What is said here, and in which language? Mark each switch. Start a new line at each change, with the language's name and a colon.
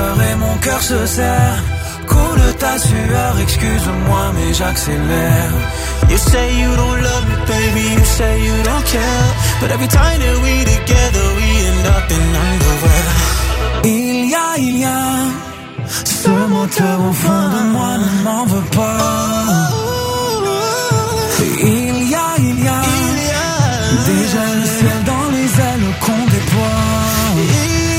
French: Et mon cœur se serre. Coule ta sueur, excuse-moi mais j'accélère.
English: You say you don't love me baby, you say you don't care. But every time that we together we end up in underwear.
French: Ilia, Ilia, ce moteur au fond de moi ne m'en veut pas. Ilia, Ilia, Ilia. Déjà le ciel dans les ailes qu'on déploie.